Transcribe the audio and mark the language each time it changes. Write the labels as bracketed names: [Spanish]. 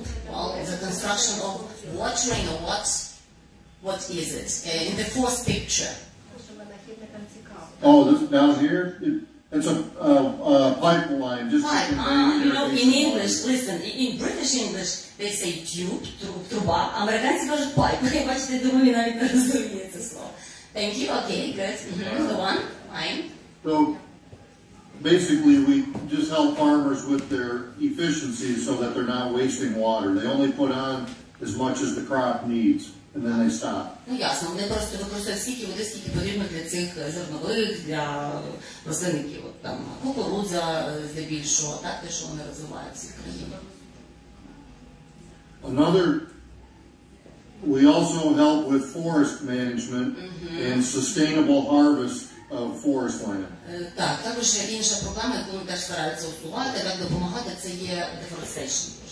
[English] Well, the construction of watering or what is it? In the fourth picture. Oh, this down here? It's a pipeline. Pipe. In English, listen, in British English, they say tube, труба. [Ukrainian] Американці кажуть pipe. Я бачу, я думаю, він навіть не розуміє це слово. [English] Thank you. Okay, good. The one? Fine. So, basically, we just help farmers with their efficiency so that they're not wasting water. They only put on as much as the crop needs, and then they stop. [Ukrainian] Ну, ясно. Вони просто використовують скільки води, скільки потрібно для цих зернових, для рослинників. От там кукурудза здебільшого, так, те, що вони розвивають в цих країнах. [English] Another, we also help with forest management and sustainable harvest of forest land. [Ukrainian] Так, також є інша програма, яку ми теж стараються усувати, як допомагати, це є deforestation.